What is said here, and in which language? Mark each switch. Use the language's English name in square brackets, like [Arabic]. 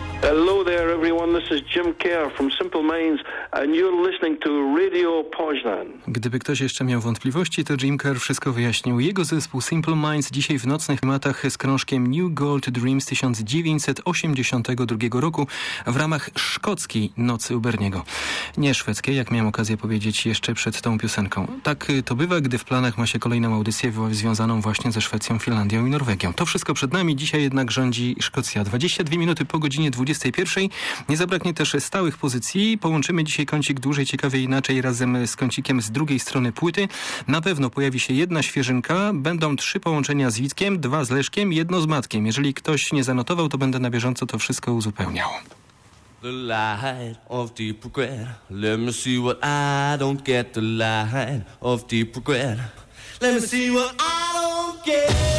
[English] Hello there, everyone. This is Jim Kerr from Simple Minds, and you're listening to Radio Poznan. [Polish] Gdyby ktoś jeszcze miał wątpliwości, to Jim Kerr wszystko wyjaśnił. Jego zespół Simple Minds dzisiaj w nocnych klimatach z krążkiem New Gold Dreams 1982 roku w ramach szkockiej Nocy Uberniego. Nie szwedzkiej, jak miałem okazję powiedzieć jeszcze przed tą piosenką. Tak to bywa, gdy w planach ma się kolejną audycję związaną właśnie ze Szwecją, Finlandią i Norwegią. To wszystko przed nami, dzisiaj jednak rządzi Szkocja. 22 minuty po godzinie 21. Nie zabraknie też stałych pozycji. Połączymy dzisiaj kącik dłużej, ciekawiej, inaczej razem z kącikiem z drugiej strony płyty. Na pewno pojawi się jedna świeżynka. Będą trzy połączenia z Witkiem, dwa z Leszkiem, jedno z Matkiem. Jeżeli ktoś nie zanotował, to będę na bieżąco to wszystko uzupełniał. [English] The light of deep regret. Let me see what I don't get. The light of deep regret. Let me see what I don't get.